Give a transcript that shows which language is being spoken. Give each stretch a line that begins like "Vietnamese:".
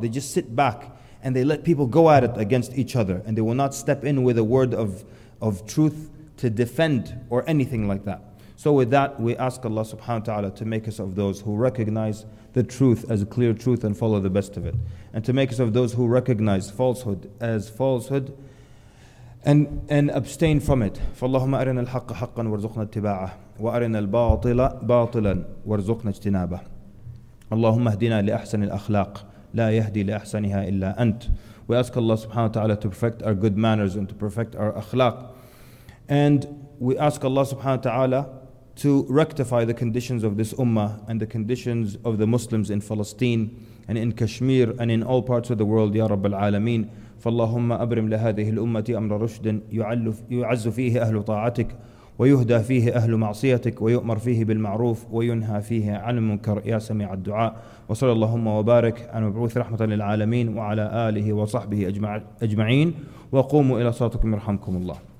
English: They just sit back and they let people go at it against each other, and they will not step in with a word of truth to defend or anything like that. So with that, we ask Allah subhanahu wa ta'ala to make us of those who recognize the truth as a clear truth and follow the best of it. And to make us of those who recognize falsehood as falsehood and abstain from it.
Arabic: فَاللَّهُمَّ أَرِنَا الْحَقَّ حَقًّا وَارْزُقْنَا اتِّبَاعَهُ وَأَرِنَا الْبَاطِلَ بَاطِلًا وَارْزُقْنَا اجْتِنَابَهُ اللَّهُمَّ اهْدِنَا لِأَحْسَنِ الْأَخْلَاقِ لَا يَهْدِي لِأَحْسَنِهَا إِلَّا أَنْتَ.
English: We ask Allah subhanahu wa ta'ala to perfect our good manners and to perfect our akhlaq. And we ask Allah subhanahu wa ta'ala to rectify the conditions of this ummah and the conditions of the Muslims in Palestine and in Kashmir and in all parts of the world, ya Rabbal Alameen.
Arabic: فاللهم أبرم لهذه الأمة أمر رشد يعز فيه أهل طاعتك ويهدى فيه أهل معصيتك ويؤمر فيه بالمعروف وينهى فيه عن المنكر يا سميع الدعاء. وصلى اللهم وبارك على مبعوث رحمة للعالمين وعلى آله وصحبه أجمعين. وقوموا إلى صلاتكم يرحمكم الله.